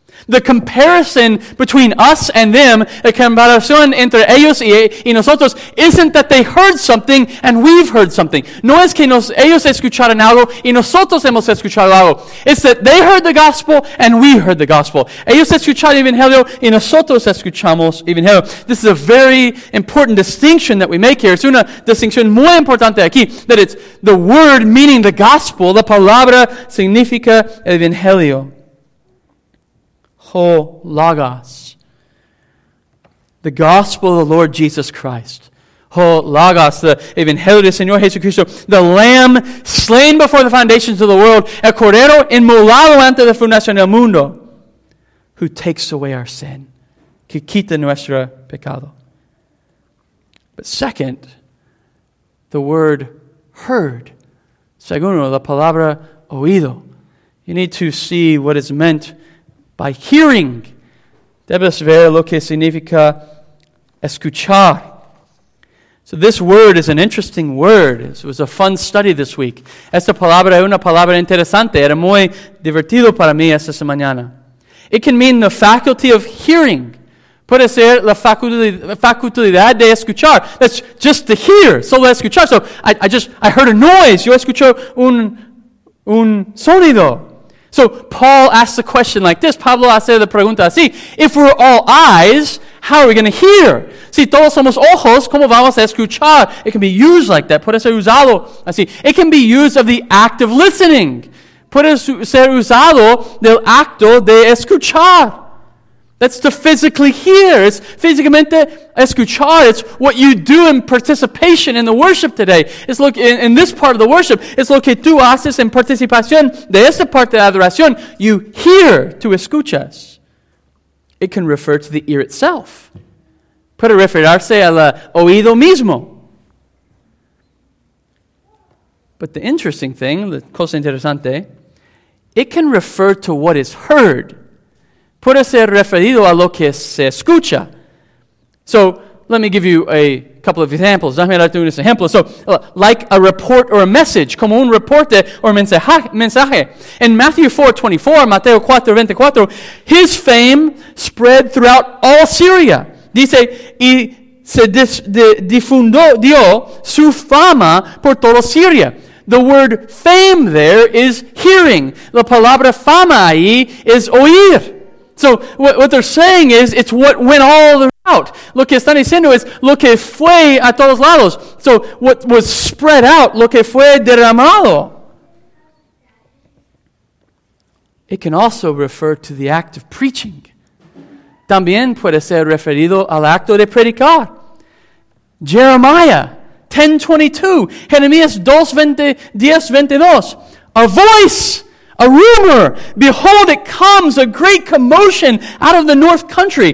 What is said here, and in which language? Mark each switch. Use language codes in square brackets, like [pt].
[en] The comparison between us and them, [es] la comparación entre ellos y nosotros, [en] isn't that they heard something and we've heard something. [es] No es que ellos escucharon algo y nosotros hemos escuchado algo. [en] It's that they heard the gospel and we heard the gospel. [es] Ellos escucharon evangelio y nosotros escuchamos evangelio. [en] This is a very important distinction that we make here. [es] Es una distinción muy importante aquí, [en] that it's the word meaning the gospel, [es] la palabra significa evangelio. [en] Ho Logos. The gospel of the Lord Jesus Christ. [es] Ho Logos, the Evangelio del Señor Jesucristo. [en] The Lamb slain before the foundations of the world. [es] El Cordero inmolado ante la fundación del mundo. [en] Who takes away our sin. [es] Que quita nuestro pecado. [en] But second, the word heard. [es] Segundo, la palabra oído. [en] You need to see what is meant by hearing. [es] Debes ver lo que significa escuchar. [en] So this word is an interesting word. It was a fun study this week. [es] Esta palabra es una palabra interesante. Era muy divertido para mí esta mañana. [en] It can mean the faculty of hearing. [es] Puede ser la facultad de escuchar. [en] That's just to hear. [es] Solo escuchar. [en] So I heard a noise. [es] Yo escucho un sonido. [en] So Paul asks the question like this. [es] Pablo hace la pregunta así. [en] If we're all eyes, how are we going to hear? [es] Si todos somos ojos, ¿cómo vamos a escuchar? [en] It can be used like that. [es] Puede ser usado así. [en] It can be used of the act of listening. [es] Puede ser usado del acto de escuchar. [en] That's to physically hear. It's [es] físicamente escuchar. [en] It's what you do in participation in the worship today. It's look in this part of the worship. [es] It's lo que tú haces en participación de esta parte de adoración. [en] You hear to escuchas. It can refer to the ear itself. [es] Puede referirse al oído mismo. [en] But the interesting thing, the [es] cosa interesante, [en] it can refer to what is heard. [es] Puede ser referido a lo que se escucha. [en] So, let me give you a couple of examples. [es] Déjame darte unos ejemplos. [en] So, like a report or a message, [es] como un reporte o mensaje. [en] In Mateo 4:24, his fame spread throughout all Syria. [es] Dice, y se difundió su fama por toda Siria. [en] The word fame there is hearing. [es] La palabra fama ahí [en] is oír. So what they're saying is it's what went all out. [es] Lo que están diciendo es lo que fue a todos lados. [en] So what was spread out, [es] lo que fue derramado. [en] It can also refer to the act of preaching. [es] También puede ser referido al acto de predicar. [en] Jeremiah 10:22. [es] Jeremías 2:22. [en] A voice. A rumor. Behold, it comes, a great commotion out of the north country.